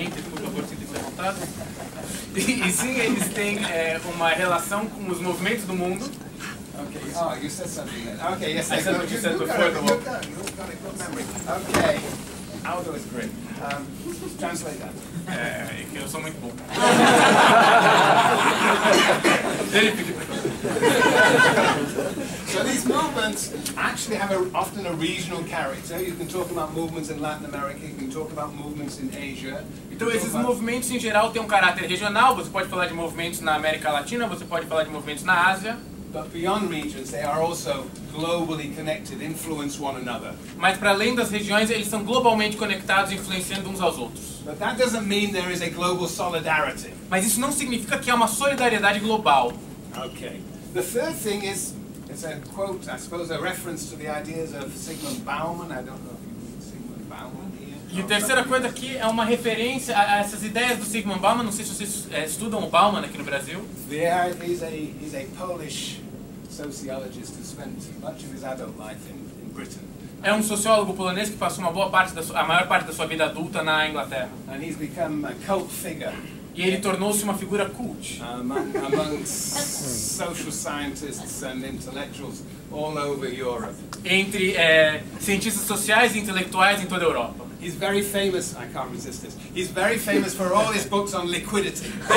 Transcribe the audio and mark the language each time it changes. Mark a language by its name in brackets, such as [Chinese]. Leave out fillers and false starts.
[Portuguese] Por favor, eles têm uma relação com os movimentos do mundo. [English] Okay. Oh, you said something then. Okay. Yes, I said what you said before. You've got a good memory. Okay. Aldo is great. Translate that. [Portuguese] É que eu sou muito bom. Ele pediu. [English] So these movements actually have often a regional character. You can talk about movements in Latin America, you can talk about movements in Asia. [Portuguese] Então esses movimentos em geral têm caráter regional. Você pode falar de movimentos na América Latina, você pode falar de movimentos na Ásia. [English] But beyond regions, they are also globally connected, influence one another. [Portuguese] Mas para além das regiões, eles são globalmente conectados, influenciando uns aos outros. [English] But that doesn't mean there is a global solidarity. [Portuguese] Mas isso não significa que há uma solidariedade global. [English] Okay. The third thing is a quote, I suppose, a reference to the ideas of Sigmund Bauman. I don't know if you mean Sigmund Bauman. [Portuguese] E a terceira coisa aqui é uma referência a essas ideias do Sigmund Bauman. Não sei se vocês estudam o Bauman aqui no Brasil. [English] He's a Polish sociologist who spent much of his adult life in Britain. [Portuguese] É sociólogo polonês que passou a maior parte da sua vida adulta na Inglaterra. [English] And he's become a cult figure. [Portuguese] E ele tornou-se uma figura cult. [English] Amongst social scientists and intellectuals all over Europe. [Portuguese] Entre cientistas sociais e intelectuais em toda a Europa. [English] He's very famous, I can't resist this, he's very famous for all his books on liquidity.